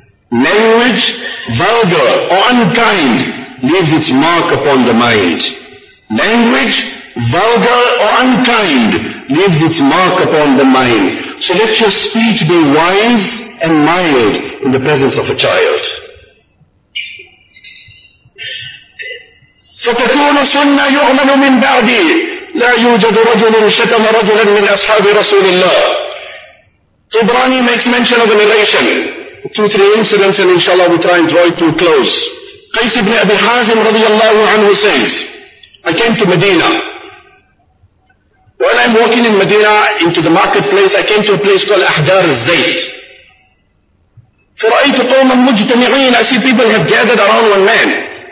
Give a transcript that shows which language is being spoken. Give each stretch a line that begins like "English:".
English: Language, vulgar or unkind, leaves its mark upon the mind. Language, vulgar or unkind, leaves its mark upon the mind. So let your speech be wise and mild in the presence of a child.
Arabic: فَتَكُونُ سُنَّةٌ يُعْمَلُ مِنْ بَعْدِي لَا يُوجَدُ رَجُلٌ شَتَمَ رَجُلًا مِنْ أَصْحَابِ رَسُولِ اللَّهِ
English: Tibrani makes mention of a narration. Two, three incidents and inshallah we try and draw it to close. Qais ibn Abi Hazim radiallahu anhu says, I came to Medina. While I'm walking in Medina into the marketplace, I came to a place called Ahjar al-Zayt.
Arabic: فَرَأَيْتُ قَوْمًا مُجْتَمِعِينَ
English: I see people have gathered around one man.